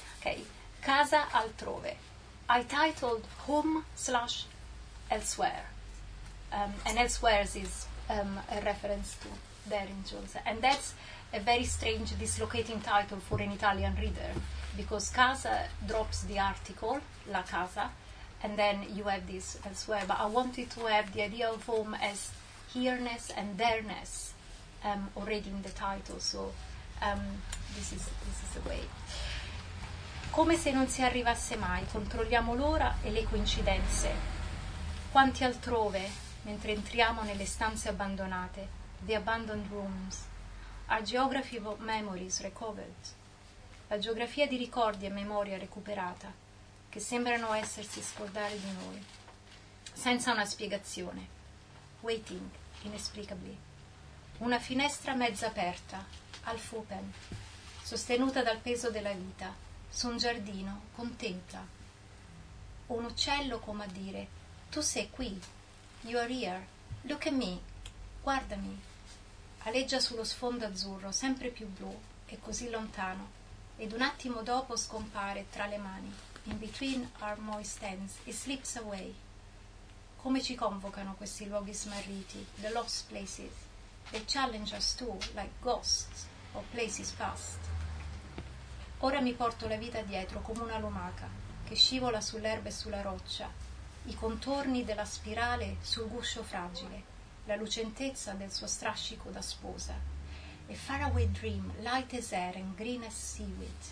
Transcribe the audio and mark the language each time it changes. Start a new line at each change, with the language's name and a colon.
English: Okay, Casa Altrove. I titled Home / Elsewhere, and Elsewhere is a reference to Darren Jones, and that's a very strange dislocating title for an Italian reader, because casa drops the article, la casa, and then you have this elsewhere. But I wanted to have the idea of home as here-ness and there-ness already in the title, so this is the way.
Italian: Come se non si arrivasse mai, controlliamo l'ora e le coincidenze. Quanti altrove, mentre entriamo nelle stanze abbandonate,
English: the abandoned rooms, are geography of memories recovered?
Italian: La geografia di ricordi e memoria recuperata, che sembrano essersi scordare di noi, senza una spiegazione,
English: waiting inexplicably.
Italian: Una finestra mezza aperta,
English: half open,
Italian: sostenuta dal peso della vita, su un giardino, contempla. Un uccello come a dire, tu sei qui,
English: you are here, look at me,
Italian: guardami. Aleggia sullo sfondo azzurro, sempre più blu e così lontano, ed un attimo dopo scompare tra le mani,
English: in between our moist hands, it slips away.
Italian: Come ci convocano questi luoghi smarriti,
English: the lost places? They challenge us too, like ghosts or places past.
Italian: Ora mi porto la vita dietro come una lumaca che scivola sull'erba e sulla roccia, i contorni della spirale sul guscio fragile, la lucentezza del suo strascico da sposa.
English: A faraway dream, light as air and green as seaweed.